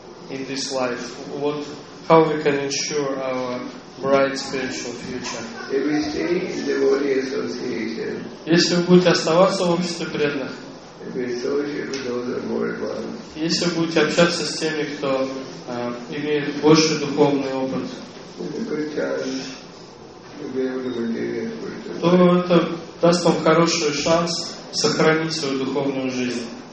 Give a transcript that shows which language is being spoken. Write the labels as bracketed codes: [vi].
[en] In this life, how we can ensure our bright spiritual future? If we stay in devotee association, [ru] если вы будете оставаться в обществе преданных, [en] if we associate with those who are more advanced, [ru] если вы будете общаться с теми, кто имеет больший духовный опыт, то это даст вам хороший шанс сохранить свою духовную жизнь.